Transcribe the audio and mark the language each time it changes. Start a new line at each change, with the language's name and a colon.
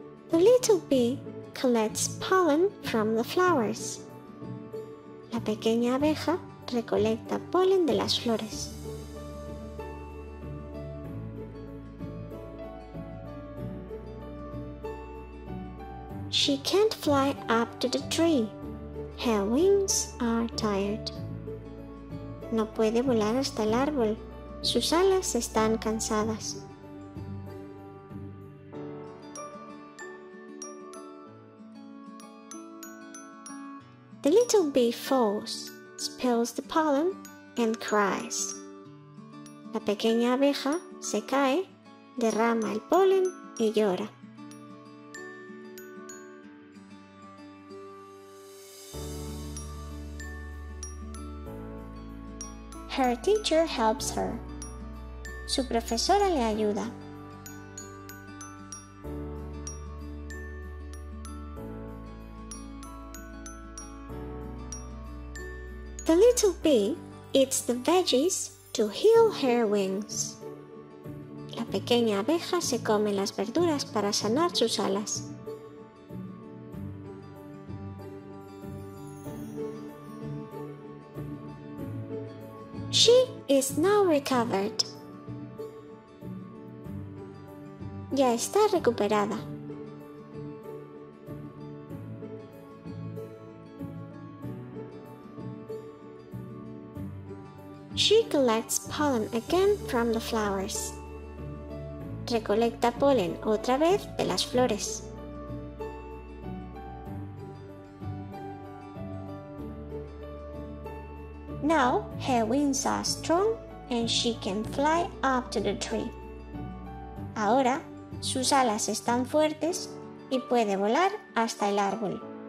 English: The little bee collects pollen from the flowers.
Spanish: La pequeña abeja recolecta polen de las flores.
English: She can't fly up to the tree. Her wings are tired.
Spanish: No puede volar hasta el árbol. Sus alas están cansadas.
English: The little bee falls, spills the pollen, and cries.
Spanish: La pequeña abeja se cae, derrama el polen y llora.
English: Her teacher helps her.
Spanish: Su profesora le ayuda.
English: The little bee eats the veggies to heal her wings.
Spanish: La pequeña abeja se come las verduras para sanar sus alas.
English: She is now recovered.
Spanish: Ya está recuperada.
English: She collects pollen again from the flowers.
Spanish: Recolecta polen otra vez de las flores.
English: Now her wings are strong and she can fly up to the tree.
Spanish: Ahora sus alas están fuertes y puede volar hasta el árbol.